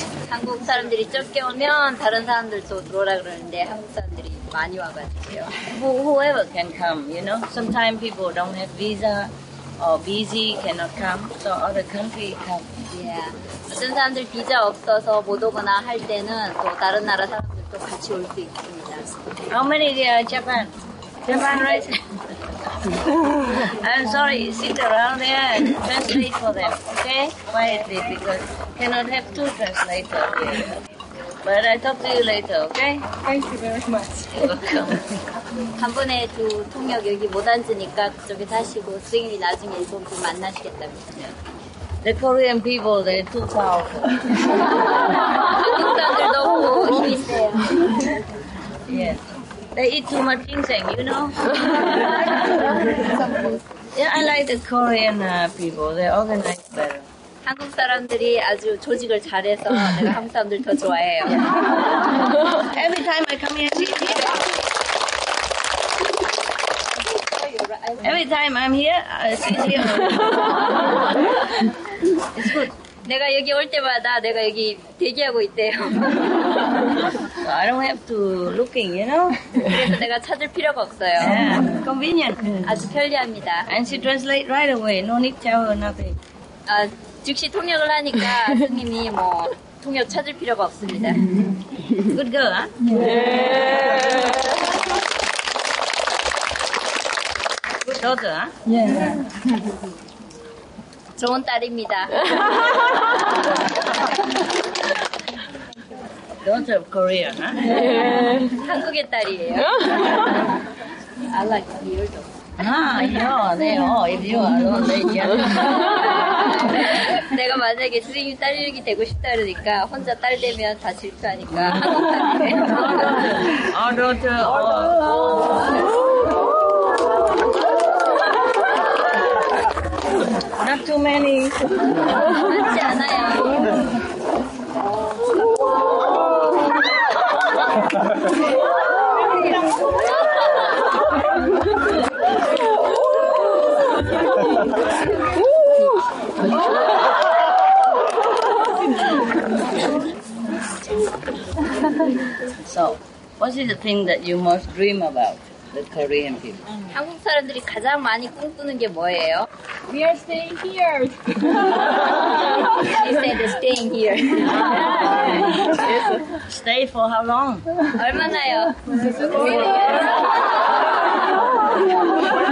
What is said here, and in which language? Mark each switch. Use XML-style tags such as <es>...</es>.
<ko>한국 사람들이 적게 오면 다른 사람들도 들어오라 그러는데 한국 사람들이 많이 와가지고요.</ko> <en>Whoever can come, you know. Sometimes people don't have visa or busy cannot come, so other country come. Yeah.</en> <ko>어떤 사람들 비자 없어서 못 오거나 할 때는 또 다른 나라 사람들도 같이 올 수 있습니다.</ko> <en>How many there are in Japan? Japan, right? I'm sorry, sit around there and translate for them, okay? Quietly, because cannot have two translators here. But I'll talk to you later, okay? Thank you very much. You're welcome.</en> <ko>한 번에 두 통역 여기 못 앉으니까 그쪽에서 하시고 선생님이 나중에 일본 분 만나시겠답니다.</ko> <en>The Korean people, they're too powerful.</en> <ko>한국사들 너무 힘이 있어요.</ko> <en>Yes. They eat too much ginseng, you know? Yeah, I like the Korean people. They organize better.</en> <ko>한국 사람들이 아주 조직을 잘해서 내가 한국 사람들 더 좋아해요.</ko> <en>Every time I come here, every time I'm here, I see you. It's good.</en> <ko>내가 여기 올 때마다 내가 여기 대기하고 있대요.</ko> <en>So I don't have to looking, you know?</en> <ko>그래서 내가 찾을 필요가 없어요.</ko> <en>Yeah. Convenient.</en> <ko>아주 편리합니다.</ko> <en>And she translate right away. No need to have nothing.</en> <ko>아, 즉시 통역을 하니까 선생님이 뭐 통역 찾을 필요가 없습니다.</ko> <en>Good girl, huh? Yeah. Good daughter, huh? Yeah.</en> <ko>좋은 딸입니다.</ko> <en>Daughter of Korea, huh? Yeah.</en> <ko>한국의 딸이에요.</ko> <en>I like your daughter. Ah, yeah, they are. If you are, they are.</en> <ko>내가 만약에 선생님 딸이 되고 싶다 그러니까 혼자 딸 되면 다 질투하니까 한국 딸이에요.</ko> <en>Our daughter. Our daughter. Not too many.</en> <ko>많지 않아요.</ko> <en>So, what is the thing that you most dream about? The Korean people.</en> <ko>한국 사람들이 가장 많이 꿈꾸는 게 뭐예요?</ko> <en>We are staying here. She said staying here. Stay for how long?</en> <ko>얼마나요?</ko> <en>4 years.</en>